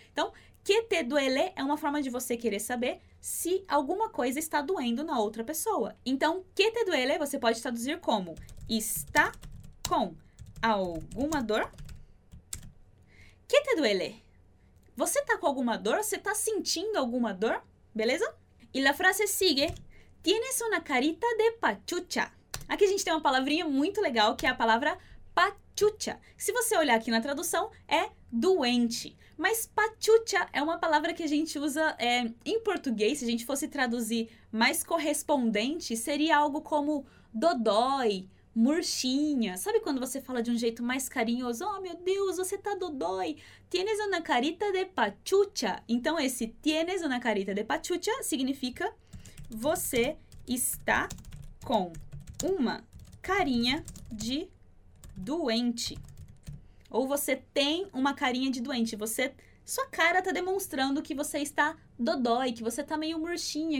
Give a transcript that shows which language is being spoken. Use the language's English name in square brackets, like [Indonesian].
[Portuguese] Então, [Spanish] que te duele [Portuguese] é uma forma de você querer saber se alguma coisa está doendo na outra pessoa. Então, que te duele você pode traduzir como está com alguma dor? Que te duele? Você tá com alguma dor? Você tá sentindo alguma dor? Beleza? E a frase sigue. [Spanish] Tienes una carita de pachucha. [Portuguese] Aqui a gente tem uma palavrinha muito legal, que é a palavra pachucha. Se você olhar aqui na tradução, é doente. Mas pachucha é uma palavra que a gente usa em português. Se a gente fosse traduzir mais correspondente, seria algo como dodói, murchinha. Sabe quando você fala de um jeito mais carinhoso? Oh, meu Deus, você tá dodói. [Spanish] Tienes una carita de pachucha. [Portuguese] Então, esse [Spanish] tienes una carita de pachucha [Portuguese] significa você está com uma carinha de doente. Ou você tem uma carinha de doente. Sua cara tá demonstrando que você está dodói, que você tá meio murchinha.